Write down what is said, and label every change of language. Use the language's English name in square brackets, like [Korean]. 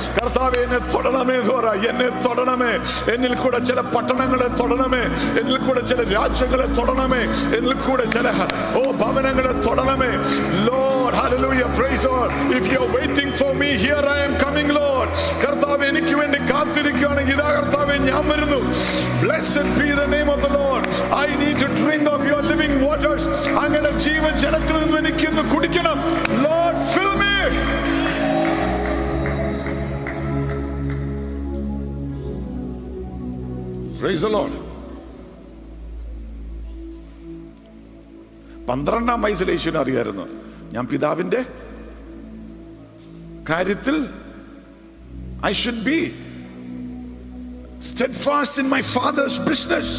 [Malayalam] കർത്താവ് എന്നെ തൊടണമേ എന്ന് പറ, എന്നെ തൊടണമേ, എന്നിൽ കൂടെ ചില പട്ടണങ്ങളെ തൊടണമേ, എന്നിൽ കൂടെ ചില രാജ്യങ്ങളെ തൊടണമേ, എന്നിൽ കൂടെ ചില ഓ ഭവനങ്ങളെ തൊടണമേ. Lord hallelujah, price, [English] if you are waiting for me, here I am coming, Lord. [Malayalam] കർത്താവ് എനിക്ക് വേണ്ടി കാത്തിരിക്കുകയാണെങ്കിൽ, ഇതാ കർത്താവേ ഞാൻ വരുന്നു. [English] Blessed be the name of the Lord. I need to drink of your living waters. [Malayalam] അങ്ങയുടെ ജീവജലത്തിൽ നിന്ന് എനിക്ക് ഇന്ന് കുടിക്കണം. [English] Lord, fill me. Praise the Lord. [Malayalam] 12 വയസ്സിൽ യേശുവിനെ അറിയായിരുന്നു, ഞാൻ പിതാവിന്റെ കാര്യത്തിൽ, [English] I should be steadfast in my father's business.